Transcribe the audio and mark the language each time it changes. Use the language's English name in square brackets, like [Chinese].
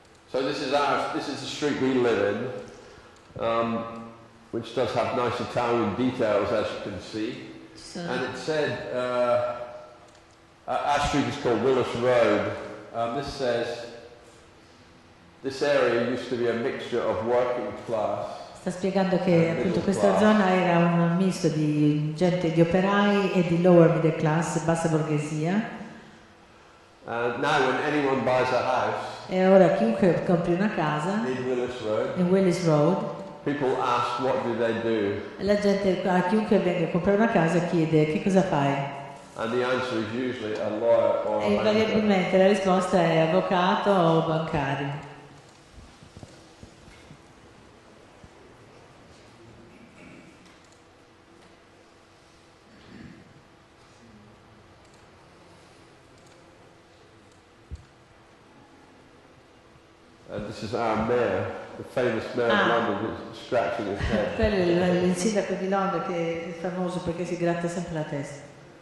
[English] So this is our, this is the street we live in, which does have nice Italian details, as you can see. So and it said, our street is called Willis Road. This says, this area used to be a mixture of working class. [Italian] Sta spiegando che appunto questa zona era un misto di gente di operai e di [English] lower middle class, [Italian] bassa borghesia. [English] Now when anyone buys a house. [Italian] E ora chiunque compri una casa in Willis Road, [English] people ask, what do they do? [Italian] E la gente, a chiunque venga a comprare una casa, chiede che cosa fai? [English] And the answer is usually a lawyer or [Italian] e invariabilmente la risposta è avvocato o bancario. [English] This is our mayor, the famous mayor of London, who's scratching his head. [Italian] Quello è il sindaco di Londra che è famoso perché si gratta sempre la testa.